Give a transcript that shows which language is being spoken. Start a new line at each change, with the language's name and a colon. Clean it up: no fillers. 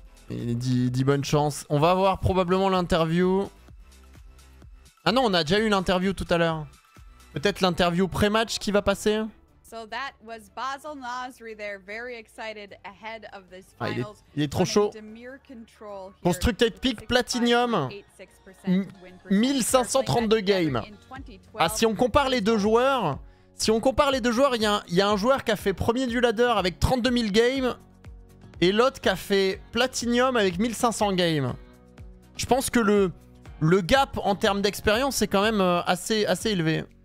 French: Il dit bonne chance. On va avoir probablement l'interview. Ah non, on a déjà eu l'interview tout à l'heure. Peut-être l'interview pré-match qui va passer.
English: So that was Basil Nasri there, very excited ahead of this finals.
French: Ah, il est trop chaud.
English: Constructed Peak Platinum, 1532 games.
French: Ah, si on compare les deux joueurs, il y a un joueur qui a fait premier du ladder avec 32 000 games et l'autre qui a fait Platinum avec 1500 games. Je pense que le gap en termes d'expérience est quand même assez élevé.